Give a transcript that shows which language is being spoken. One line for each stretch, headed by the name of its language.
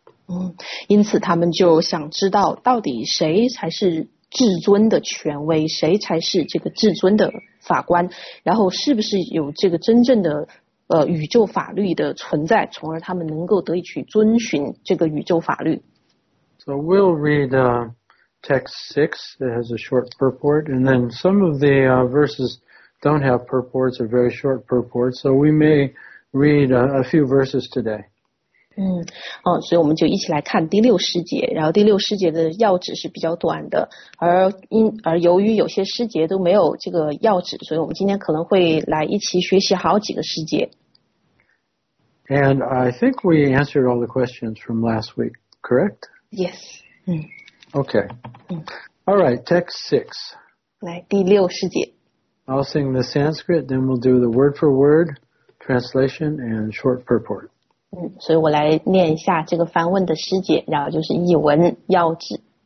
Chinese: 嗯，因此他们就想知道到底谁才是至尊的权威，谁才是这个至尊的法官，然后是不是有这个真正的宇宙法律的存在，从而他们能够得以去遵循这个宇宙法律。
English: So we'll read text 6 that has a short purport, and then some of the verses don't have purports or very short purports, so we may read a few verses today.
Chinese: 嗯，哦，所以我们就一起来看第六师节，然后第六师节的要旨是比较短的，而由于有些师节都没有这个要旨，所以我们今天可能会来一起学习好几个师节。
English: And I think we answered all the questions from last week, correct? Yes. 嗯。 Okay. 嗯。All right, text 6.
Chinese: 来，第六师节。
English: I'll sing the Sanskrit, then we'll do the word for word, translation, and short purport.
Chinese: 嗯，所以我来念一下这个梵文的师节，然后就是译文要旨。